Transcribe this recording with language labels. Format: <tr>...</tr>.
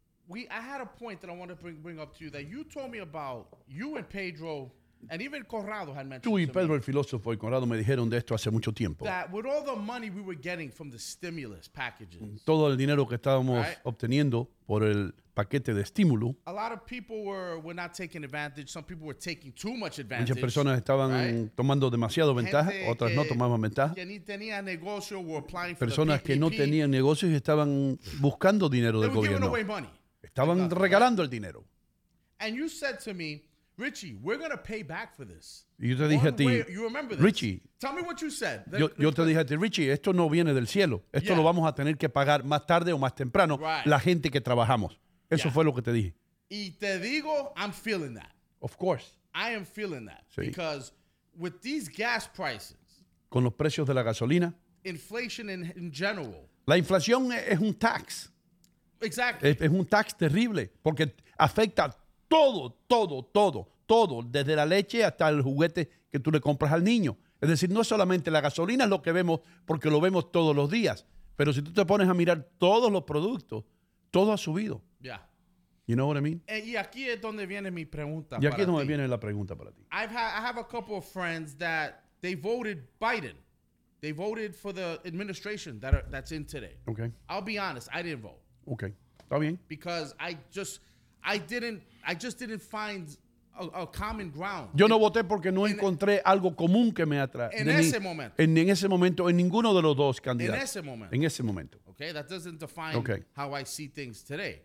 <en>I had a point that I want to bring up to you that you told me about. You and Pedro, and even Corrado had mentioned.</en> <es>Tú y Pedro, el filósofo, y Corrado me dijeron de esto hace mucho tiempo.</es> <en>That with all the money we were getting from the stimulus packages,</en> <es>todo el dinero que estábamos obteniendo por el paquete de estímulo,</es> <en>a lot of people were not taking advantage. Some people were taking too much advantage.</en> <es>Muchas personas estaban tomando demasiado ventaja, otras no tomaban ventaja. Que ni tenía negocio,</es> <en>were applying for</en> <es>personas</es> <en>the</en> <es>que no tenían negocios y estaban buscando dinero del gobierno.</es> <en>Giving away money.</en> <es>Estaban regalando el dinero.</es> <en>And you said to me, Richie, we're going to pay back for this.</en> <es>Yo te dije a ti, Richie.</es> <en>Tell me what you said.</en> <es>Yo te dije a ti, Richie, esto no viene del cielo. Esto lo vamos a tener que pagar más tarde o más temprano la gente que trabajamos. Eso fue lo que te dije. Y te digo,</es> <en>I'm feeling that. Of course. I am feeling that. Sí. Because with these gas prices.</en> <es>Con los precios de la gasolina.</es> <en>Inflation in general.</en> <es>La inflación es un tax.</es> <en>Exactly.</en> <es>Es un tax terrible porque afecta todo, desde la leche hasta el juguete que tú le compras al niño. Es decir, no solamente la gasolina es lo que vemos porque lo vemos todos los días, pero si tú te pones a mirar todos los productos, todo ha subido.</es> <en>Yeah. You know what I mean?</en> <es>Y aquí es donde viene mi pregunta para ti. Y aquí es donde viene la pregunta para ti.</es> <en>I have a couple of friends that they voted Biden. They voted for the administration that's in today. Okay. I'll be honest, I didn't vote.</en> <es>Okay. Está bien.</es> <en>Because I just didn't find a common ground.</en> <es>Yo no voté porque no encontré algo común que me atrae. En ese momento, en ninguno de los dos candidatos. En ese momento.</es> <en>Okay, that doesn't define how I see things today.</en>